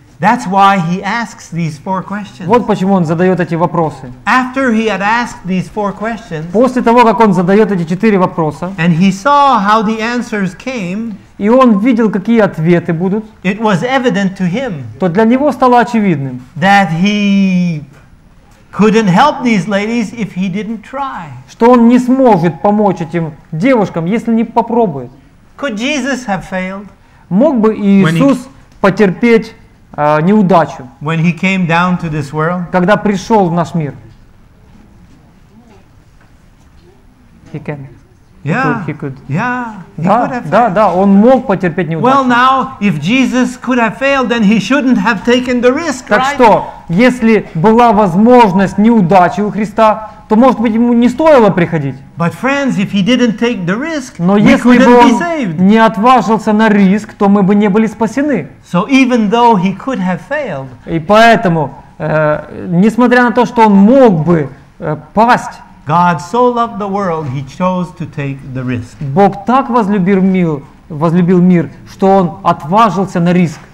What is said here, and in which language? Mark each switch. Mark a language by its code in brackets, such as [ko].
[en] That's why he asks these four questions. [ru] Вот почему он задает эти вопросы. [en] After he had asked these four questions, [ru] после того, как он задает эти четыре вопроса, [en] and he saw how the answers came, [ru] и он видел, какие ответы будут, [en] it was evident to him, [ru] то для него стало очевидным, [en] that he couldn't help these ladies if he didn't try. [ru] Что он не сможет помочь этим девушкам, если не попробует. [en] Could Jesus have failed? [ru] Мог бы Иисус потерпеть неудачу, [en] when he came down to this world, [ru] когда пришел в наш мир? [en] He can. Yeah. He could. Yeah. [ru] Да, он мог потерпеть неудачу. [en] Well, now, if Jesus could have failed, then he shouldn't have taken the risk, [ru] так [en] right? [ru] Что, если была возможность неудачи у Христа, то, может быть, ему не стоило приходить. [en] But friends, if he didn't take the risk, [ru] но [en] we [ru] если [en] couldn't [ru] бы он [en] be saved. [ru] Не отважился на риск, то мы бы не были спасены. [en] So even though he could have failed, [ru] и поэтому, несмотря на то, что он мог бы пасть, [en] God so loved the world, he chose to take the risk. [ru] Бог так возлюбил мир, что он отважился на риск.